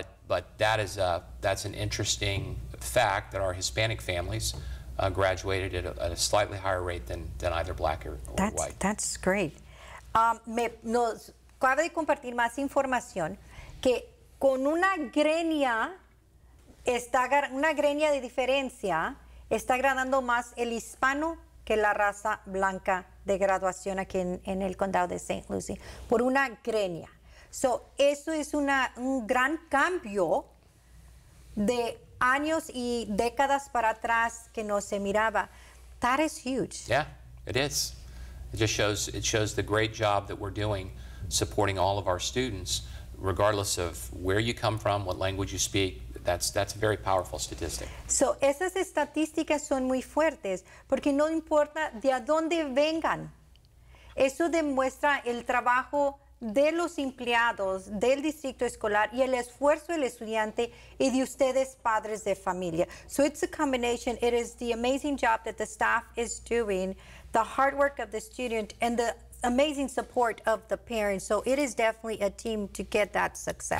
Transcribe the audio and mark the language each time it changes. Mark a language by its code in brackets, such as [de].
[en] But that is that's an interesting fact, that our Hispanic families graduated at a slightly higher rate than either black or that's, white. That's great. [es] Nos cabe compartir más información que con una greña de diferencia, está graduando más el hispano que la raza blanca de graduación aquí en el condado de St. Lucie, por una greña. So, eso es un gran cambio de años y décadas para atrás que no se miraba. [en] That is huge. Yeah, it is. It just shows the great job that we're doing supporting all of our students, regardless of where you come from, what language you speak. That's a very powerful statistic. [es] So esas estadísticas son muy fuertes porque no importa de a dónde vengan. Eso demuestra el trabajo de los empleados del distrito escolar y el esfuerzo del estudiante y de ustedes padres de familia. [en] So it's a combination. It is the amazing job that the staff is doing, the hard work of the student, and the amazing support of the parents. So it is definitely a team to get that success.